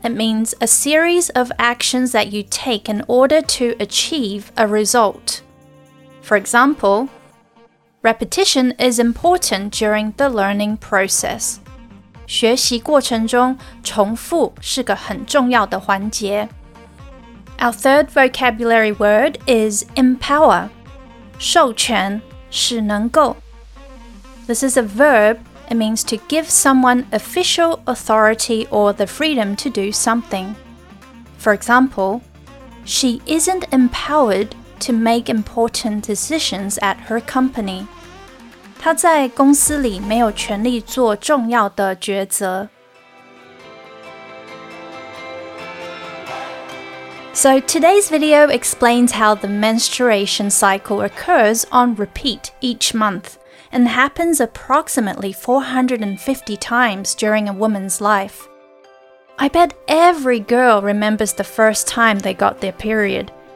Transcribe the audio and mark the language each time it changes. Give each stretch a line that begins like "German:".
English: It means a series of actions that you take in order to achieve a result. For example, repetition is important during the learning process.
Chinese: 学习过程中重复是个很重要的环节。
English: Our third vocabulary word is empower.
Chinese: 授权使能够
English: This is a verb. It means to give someone official authority or the freedom to do something. For example, she isn't empowered to make important decisions at her company.
Chinese: 她在公司里没有权力做重要的抉择。
English: So today's video explains how the menstruation cycle occurs on repeat each month. And happens approximately 450 times during a woman's life. I bet every girl remembers the first time they got their period,